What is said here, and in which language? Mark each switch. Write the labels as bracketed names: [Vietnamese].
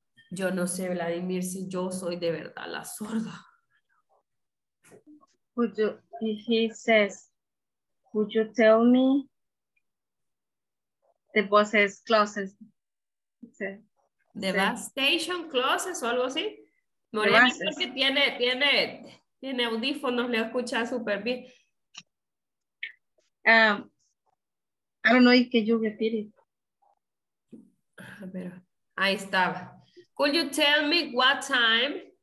[Spanish] Yo no sé, Vladimir, si yo soy de verdad la sorda. [English] Would you, he says, would you tell me the buses closes? The sí. bus station closes [Spanish] o algo así. Moreno, porque tiene audífonos, le escucha súper bien. [English] I don't know if you repeat it. [Spanish] Pero, ahí estaba. [English] Could you tell me what time